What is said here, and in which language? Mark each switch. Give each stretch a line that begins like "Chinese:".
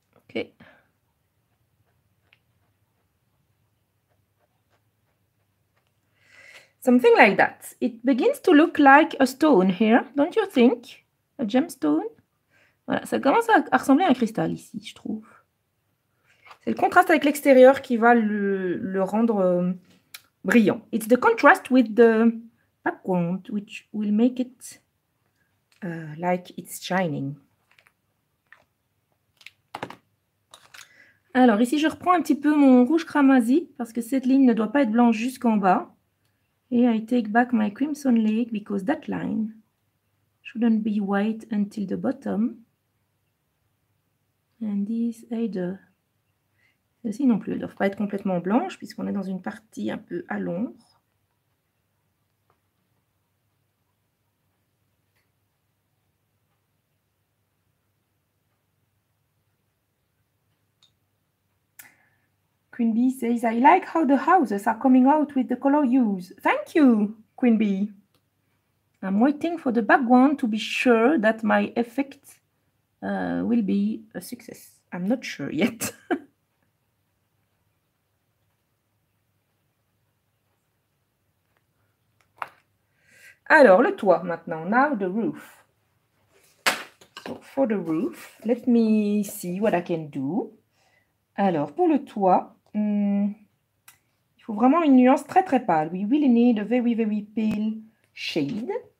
English: Okay. Something like that. It begins to look like a stone here, don't you think? A gemstone?
French: Voilà, ça commence à ressembler à un cristal ici, je trouve. C'est le contraste avec l'extérieur qui va le rendre brillant.
English: It's the contrast with the background which will make it like it's shining.
French: Alors ici, je reprends un petit peu mon rouge cramoisi parce que cette ligne ne doit pas être blanche jusqu'en bas.
English: Et I take back my crimson lake because that line shouldn't be white until the bottom. And this either.
French: Celles-ci non plus, elles ne doivent pas être complètement blanches puisqu'on est dans une partie un peu à l'ombre.
English: Queen Bee says, I like how the houses are coming out with the color used. Thank you, Queen Bee. I'm waiting for the background to be sure that my effect will be a success. I'm not sure yet.
French: Alors, le toit maintenant.
English: Now the roof. So for the roof, let me see what I can do.
French: Alors, pour le toit, il faut vraiment une nuance très très pâle.
English: We really need a very very pale shade.